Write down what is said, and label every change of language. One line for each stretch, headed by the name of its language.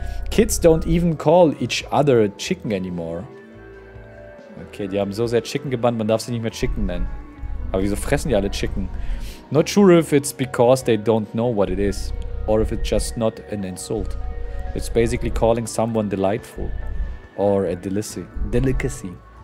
English: Kids don't even call each other chicken anymore.
German: Okay, die haben so sehr Chicken gebannt, man darf sie nicht mehr Chicken nennen. Aber wieso fressen die alle Chicken?
English: Not sure if it's because they don't know what it is, or if it's just not an insult. It's basically calling someone delightful, or a delicacy.